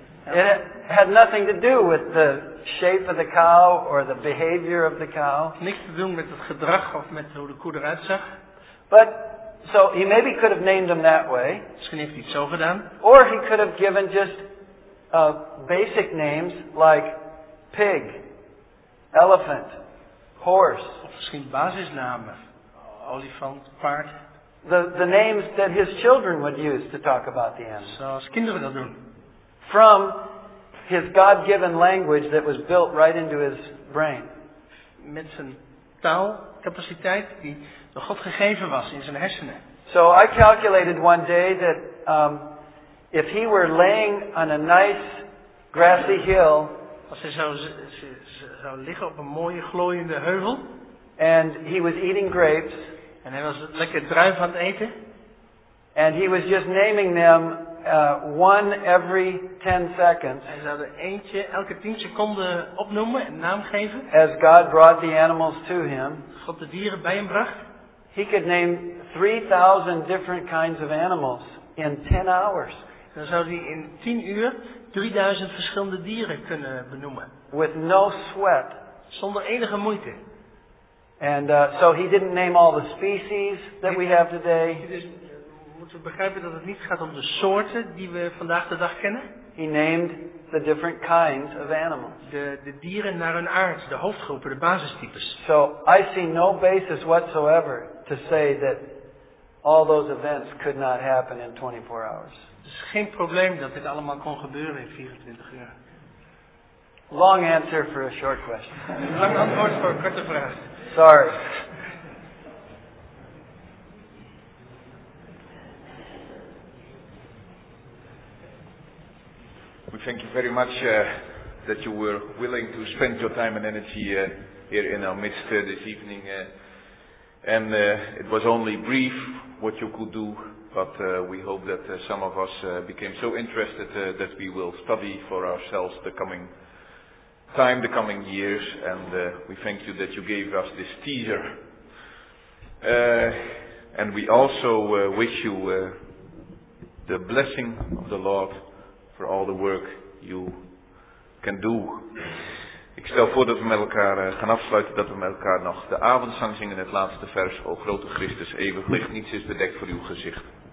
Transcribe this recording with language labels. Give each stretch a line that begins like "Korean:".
English: It had nothing to do with the shape of the cow or the behavior of the cow.
Dutch: Niks te doen met het gedrag of met hoe de koe eruit zag.
English: But so he maybe could have named them that way.
Dutch: Misschien heeft hij het zo gedaan.
English: Or he could have given just basic names like pig, elephant, horse.
Dutch: Of misschien basisnamen. Olifant, paard.
English: The names that his children would use to talk about the animals.
Dutch: Zoals kinderen dat doen.
English: From his God-given language that was built right into his brain.
Dutch: Met zijn taalcapaciteit die door God gegeven was in zijn hersenen.
English: So I calculated one day that if he were laying on a nice grassy hill.
Dutch: Als hij zou liggen op een mooie glooiende heuvel.
English: And he was eating grapes.
Dutch: En hij was lekker druif aan het eten.
English: And he was just naming them one every 10 seconds.
Dutch: Hij zou er eentje elke 10 seconden opnoemen en naam geven.
English: As God brought the animals to him.
Dutch: God de dieren bij hem bracht.
English: He could name 3,000 different kinds of animals in 10 hours.
Dutch: Dan zou hij in 10 uur 3,000 verschillende dieren kunnen benoemen.
English: With no sweat.
Dutch: Zonder enige moeite.
English: And so he didn't name all the species that we have today.
Dutch: Moeten we begrijpen dat het niet gaat om de soorten die we vandaag de dag kennen?
English: He named the different kinds of animals.
Dutch: De dieren naar hun aard, de hoofdgroepen, de basistypes.
English: So I see no basis whatsoever to say that all those events could not happen in 24 hours.
Dutch: Dus geen probleem dat dit allemaal kon gebeuren in 24 uur.
English: Long answer for a short question.
Dutch: Lang antwoord voor een korte vraag.
English: Sorry. We thank you very much that you were willing to spend your time and energy here in our midst this evening. And it was only brief what you could do, but we hope that some of us became so interested that we will study for ourselves the coming time, the coming years, and we thank you that you gave us this teaser. And we also wish you the blessing of the Lord for all the work you can do.
Dutch: Ik stel voor dat we met elkaar gaan afsluiten, dat we met elkaar nog de avondzang zingen, het laatste vers, O grote Christus, eeuwig licht, niets is bedekt voor uw gezicht.